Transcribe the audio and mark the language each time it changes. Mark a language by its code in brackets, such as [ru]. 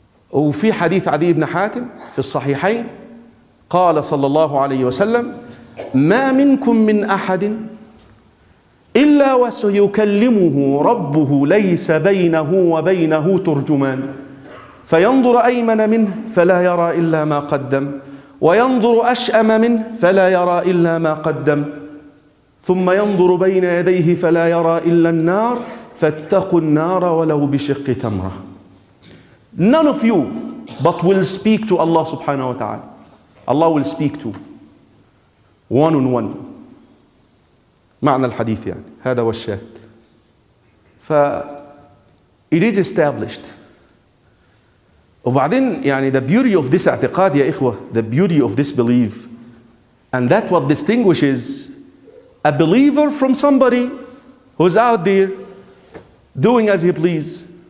[ar] وفي حديث عدي بن حاتم في الصحيحين قال صلى الله عليه وسلم ما منكم من أحد إلا وسيكلمه ربه ليس بينه وبينه ترجمان فينظر أيمن منه فلا يرى إلا ما قدم وينظر أشأم منه فلا يرى إلا ما قدم ثم ينظر بين يديه فلا يرى إلا النار فاتقوا النار ولو بشق تمرة. [en] None of you but will speak to Allah subhanahu wa ta'ala. Allah will speak to one on one. [ar] معنى الحديث يعني هذا والشاهد. [en] ف it is established. [ar] وبعدين يعني [en] the beauty of this [ar] اعتقاد يا إخوة, [en] the beauty of this belief, and that what distinguishes a believer from somebody who's out there doing as he please.